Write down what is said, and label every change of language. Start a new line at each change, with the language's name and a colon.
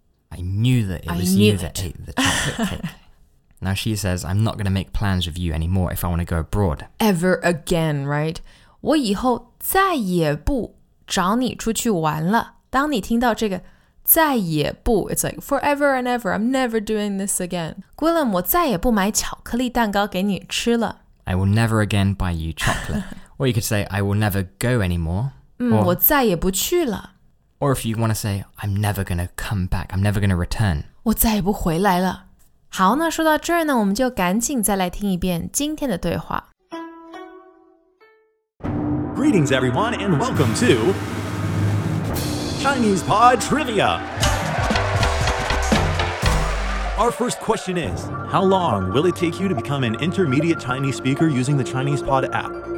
English: I knew that it was you that ate the chocolate cake. Now she says, I'm not going to make plans with you anymore if I want to go abroad. Ever again, right?
Chinese: 我以后再也不找你出去玩了。当你听到这个再也不
English: It's like forever and ever, I'm never doing this again.
Chinese: Gwilym, 我再也不买巧克力蛋糕给你吃了。
English: I will never again buy you chocolate. Or you could say, I will never go anymore.
Chinese: Or, 我再也不去了。
English: Or if you want to say, I'm never going to come back, I'm never going to return.
Chinese: 我再也不回来了。好那说到这儿呢我们就赶紧再来听一遍今天的对话。
English: Greetings everyone and welcome to Chinese Pod Trivia. Our first question is, how long will it take you to become an intermediate Chinese speaker using the Chinese Pod app?